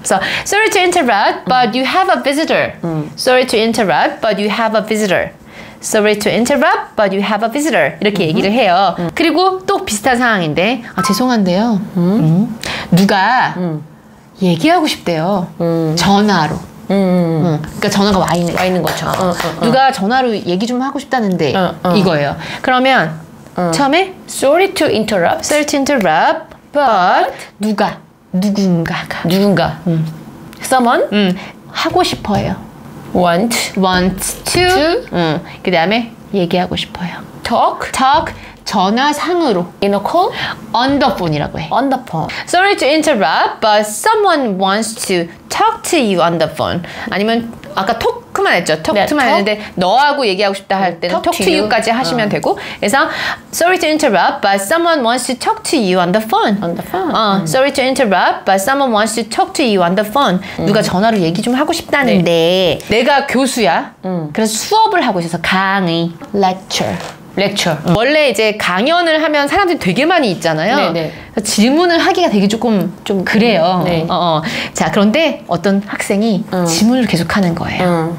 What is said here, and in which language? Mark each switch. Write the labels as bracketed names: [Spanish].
[English] So, sorry to interrupt, but you have a visitor. Sorry to interrupt, but you have a visitor. Sorry to interrupt, but you have a visitor. [Korean] 이렇게 얘기를 해요. 그리고 또 비슷한 상황인데, 죄송한데요. 누가 얘기하고 싶대요. 전화로. 그러니까 전화가 와 있는 거죠. 누가 전화로 얘기 좀 하고 싶다는데 이거예요. 그러면 처음에 [English] Sorry to interrupt. Sorry to interrupt. But 누가? 누군가가. [Korean] 누군가. Someone? 하고 싶어요. [English] Want. Want to. [Korean] 그 다음에 얘기하고 싶어요. [English] Talk. Talk. 전화상으로 in a call? on the phone이라고 해. on the phone. Sorry to interrupt, but someone wants to talk to you on the phone. [Korean] 아니면 아까 talk만 했죠. talk만 했는데 너하고 얘기하고 싶다 할 때는 talk to you 까지 하시면 되고. [English] 그래서 sorry to interrupt, but someone wants to talk to you on the phone. on the phone. Sorry to interrupt, but someone wants to talk to you on the phone. [Korean] 누가 전화로 얘기 좀 하고 싶다는데 내가 교수야. 그래서 수업을 하고 있어서 강의. [English] lecture. [Korean] 렉처. 원래 이제 강연을 하면 사람들이 되게 많이 있잖아요. 그래서 질문을 하기가 되게 조금 좀 그래요. 자, 그런데 어떤 학생이 질문을 계속 하는 거예요.